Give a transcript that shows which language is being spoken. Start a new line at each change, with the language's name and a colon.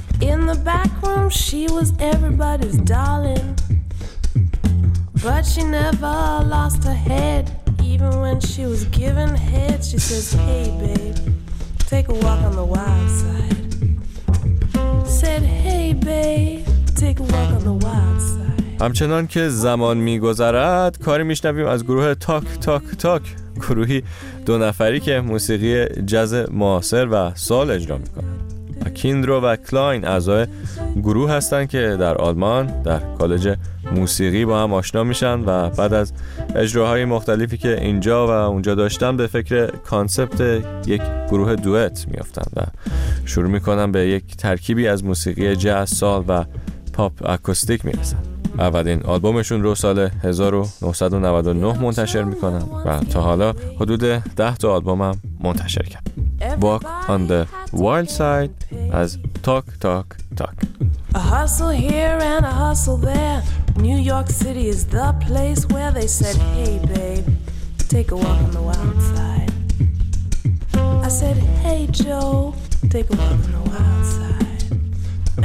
English: In the back room she was everybody's darling. But she never lost her head. Even when she was given head, she says, hey babe, take a walk on the wild side. Said, hey babe, take a walk on the wild side.
Persian: همچنان که زمان میگذرد کاری میشنویم از گروه تاک تاک تاک، گروهی دو نفری که موسیقی جاز معاصر و سال اجرا میکنند. کیندرو و کلاین اعضای گروه هستند که در آلمان در کالج موسیقی با هم آشنا میشن و بعد از اجراهای مختلفی که اینجا و اونجا داشتن به فکر کانسپت یک گروه دوئت میافتن و شروع میکنن به یک ترکیبی از موسیقی جاز سال و پاپ اکوستیک میرسن. اولین آلبومشون رو سال 1999 منتشر میکنن و تا حالا حدود 10 تا آلبوم هم منتشر کرد.
English: Walk on the wild side as talk, talk, talk. A hustle here and a hustle there. New York City is the place where they said, hey babe, take a walk on the wild side. I said, hey Joe, take a walk on the wild side.